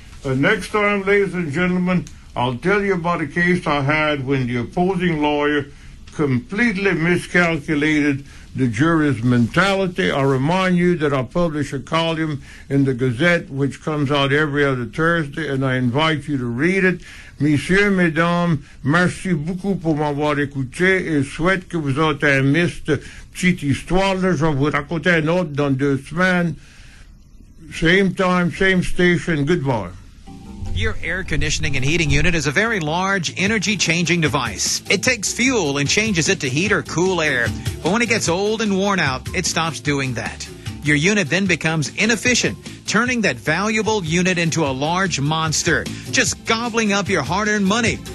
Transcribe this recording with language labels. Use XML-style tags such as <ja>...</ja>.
<en>Next time, ladies and gentlemen, I'll tell you about a case I had when the opposing lawyer completely miscalculated the jury's mentality. I remind you that I publish a column in the Gazette, which comes out every other Thursday, and I invite you to read it.</en> <fr>Monsieur, mesdames, merci beaucoup pour m'avoir écouté, et souhaite que vous ayez aimé cette petite histoire-là. Je vous raconterai une autre dans 2 semaines.</fr> <en>Same time, same station. Goodbye. Your air conditioning and heating unit is a very large, energy-changing device. It takes fuel and changes it to heat or cool air. But when it gets old and worn out, it stops doing that. Your unit then becomes inefficient, turning that valuable unit into a large monster, just gobbling up your hard-earned money.</en>